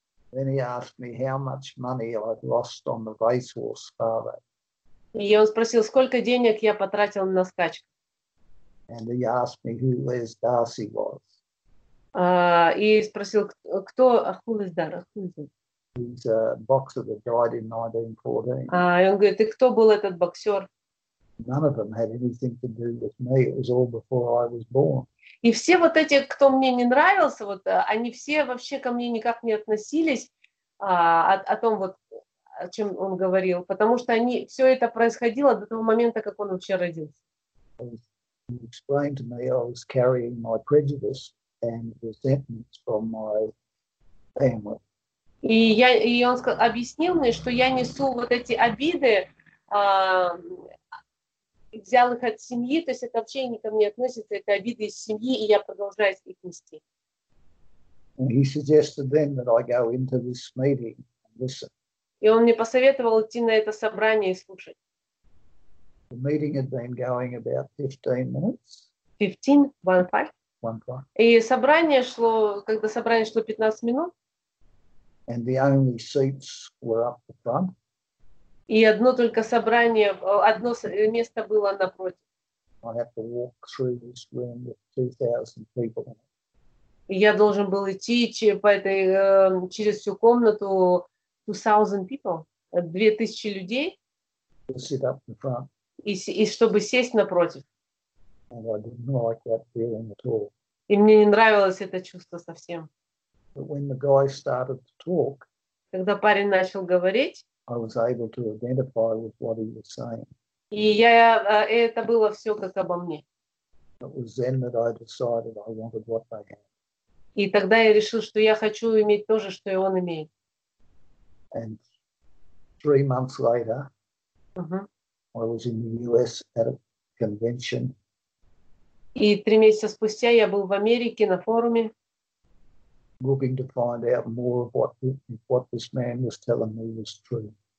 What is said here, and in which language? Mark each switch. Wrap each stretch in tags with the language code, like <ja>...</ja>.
<en>Then he asked me how much money I'd lost on the racehorse, father.</en> <ru>И он спросил, сколько денег я потратил на скачку.</ru> <en>And he asked me who Les Darcy was.</en> <ru>И спросил, кто Ахулес Дар, Ахулес Дар.</ru> <en>He's a boxer that died in 1914.</en> <ru>И он говорит, и кто был этот боксер?</ru> <en>None of them had anything to do with me. It was all before I was born.</en> <ru>И все вот эти, кто мне не нравился, вот, они все вообще ко мне никак не относились, о том, вот, о чем он говорил, потому что они, все это происходило до того момента, как он вообще родился.</ru> <en>And resentments from my family.</en> <ru>И он сказал, объяснил мне, что я несу вот эти обиды, взял их от семьи, то есть это вообще не ко мне относится, это обиды из семьи, и я продолжаю их нести.</ru> <en>And he suggested then that I go into this meeting and listen.</en> <ru>И он мне посоветовал идти на это собрание и слушать.</ru> <en>The meeting had been going about 15 minutes.</en> <ru>15. И собрание шло, когда собрание шло 15 минут.</ru> <en>And the only seats were up the front.</en> <ru>И одно только собрание, одно место было напротив.</ru> <en>I had to walk through this room with 2,000 people in it.</en> <ru>Я должен был идти по этой, через всю комнату</ru> <en>2,000 people,</en> <ru>2,000 людей.</ru> <en>To sit up the front.</en> <ru>И чтобы сесть напротив.</ru> <en>And I didn't like that feeling at all.</en> <ru>И мне не нравилось это чувство совсем.</ru> <en>But when the guy started to talk,</en> <ru>когда парень начал говорить,</ru> <en>I was able to identify with what he was saying.</en> <ru>И я, это было все как обо мне.</ru> <en>It was then that I decided I wanted what they had.</en> <ru>И тогда я решил, что я хочу иметь то же, что и он имеет.</ru> <en>And 3 months later, uh-huh. I was in the US at a convention.</en> <ru>И 3 месяца спустя я был в Америке на форуме.</ru> <en>Looking to find out more of what this man was telling me was true.</en>